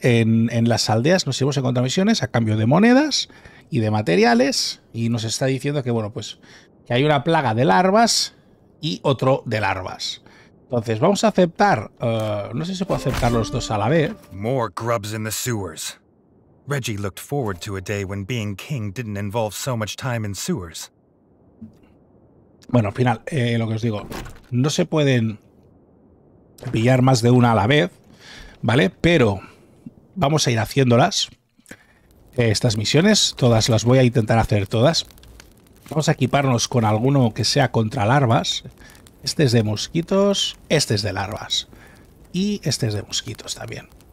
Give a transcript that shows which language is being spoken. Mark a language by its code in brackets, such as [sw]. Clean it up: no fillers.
[es] En las aldeas nos hemos encontrado misiones a cambio de monedas y de materiales. Y nos está diciendo que, bueno, pues que hay una plaga de larvas y otro de larvas. Entonces, vamos a aceptar. No sé si puedo aceptar los dos a la vez. [en] More grubs in the sewers. Reggie looked forward to a day when being king didn't involve so much time in sewers. [es] Bueno, al final, lo que os digo, no se pueden pillar más de una a la vez, ¿vale? Pero vamos a ir haciéndolas, estas misiones, todas las voy a intentar hacer todas. Vamos a equiparnos con alguno que sea contra larvas. Este es de mosquitos, este es de larvas y este es de mosquitos también.